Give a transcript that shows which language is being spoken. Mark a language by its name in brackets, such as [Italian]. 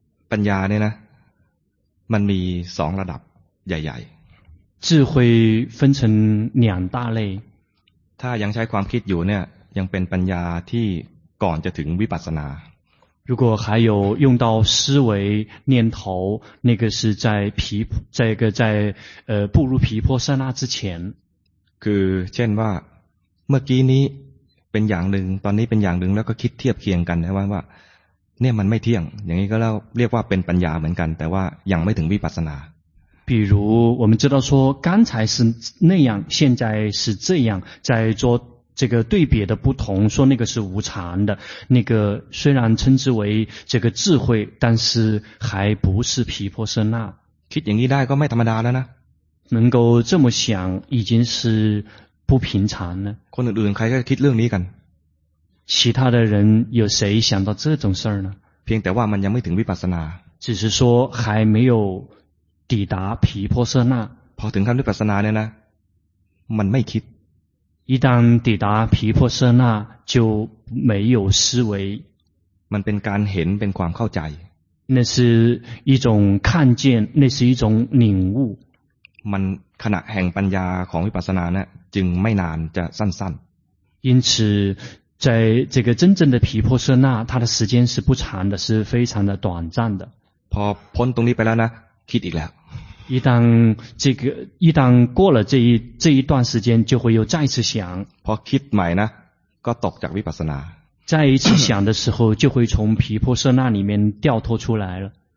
[Thai] ปัญญาเนี่ยนะมันมีสองระดับใหญ่ [Chinese] ๆ智慧分成两大类 [Thai] ถ้ายังใช้ความคิดอยู่เนี่ยยังเป็นปัญญาที่ก่อนจะถึงวิปัสสนา [Chinese] 如果还有用到思维念头那个是在毗这个在步入毗婆舍那之前 [Thai] คือเช่นว่าเมื่อกี้นี้เป็นอย่างหนึ่งตอนนี้เป็นอย่างหนึ่งแล้วก็คิดเทียบเคียงกันนะว่าเนี่ยมันไม่เที่ยงอย่างนี้ก็เรียกว่าเป็นปัญญาเหมือนกันแต่ว่ายังไม่ถึงวิปัสสนา [Chinese] 比如我们知道说刚才是那样现在是这样在做这个对比的不同说那个是无常的那个虽然称之为这个智慧但是还不是毗婆舍那 [Thai] คิดอย่างนี้ได้ก็ไม่ธรรมดาแล้วนะ [Chinese] 能够这么想已经是不平常了 [Thai] คนอื่นใครก็คิดเรื่องนี้กัน [Chinese] 其他的人有谁想到这种事儿呢 [Thai] เพียงแต่ว่ามันยังไม่ถึงวิปัสสนา [Chinese] 只是说还没有抵达毗婆舍那 [Thai] พอถึงขั้นวิปัสสนาเนี่ยนะมันไม่คิด [Chinese] 一旦抵达毗婆舍那就没有思维 [Thai] มันเป็นการเห็นเป็นความเข้าใจ [Chinese] 那是一种看见那是一种领悟 [Thai] มันขณะแห่งปัญญาของวิปัสสนาเนี่ยจึงไม่นานจะสั้นๆ [Chinese] 因此在这个真正的毗婆舍那它的时间是不长的是非常的短暂的 [Thai] พอพ้นตรงนี้ไปแล้วนะคิดอีกแล้ว [Chinese] 一旦过了这一段时间就会又再次想 [Thai] พอคิดใหม่นะก็ตกจากวิปัสสนา [Chinese] 再一次想的时候就会从毗婆舍那里面掉脱出来了